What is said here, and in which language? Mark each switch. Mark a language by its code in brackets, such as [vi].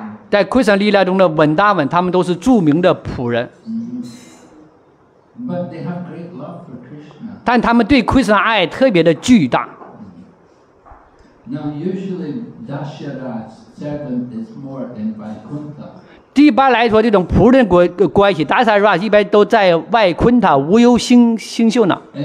[zh] 在 Krishna Lila 中的 Vrindavan 他们都是著名的仆人、 [en] But they have great love for Krishna. [zh] 但他们对 Krishna 爱特别的巨大、 [en] Now usually Dasharath's servant is more in Vaikuntha. [zh] 一般来说，这种仆人关系，达萨拉一般都在外昆塔无忧星宿呢。